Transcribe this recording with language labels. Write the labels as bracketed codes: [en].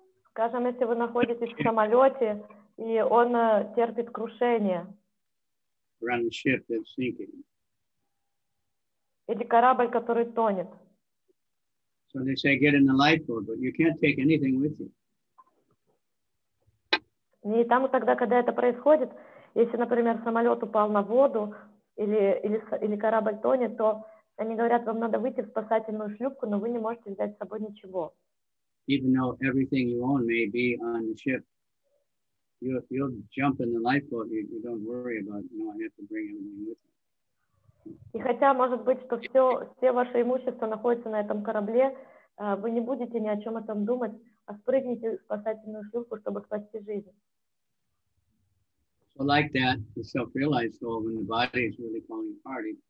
[ru] Скажем, если вы находитесь в самолете и он терпит крушение. [en] Or on a ship that's sinking. [ru] Или корабль, который тонет. [en] So they say get in the lifeboat, but you can't take anything with you. [ru] И там тогда, когда это происходит, если, например, самолет упал на воду или корабль тонет, то они говорят, вам надо выйти в спасательную шлюпку, но вы не можете взять с собой ничего. [en] Even though everything you own may be on the ship, you'll jump in the lifeboat, you don't worry about, I have to bring everything with me. [ru] И хотя, может быть, что все ваше имущество находится на этом корабле, вы не будете ни о чем этом думать, а спрыгните в спасательную шлюпку, чтобы спасти жизнь. [en] So like that, the self-realized soul, when the body is really falling apart,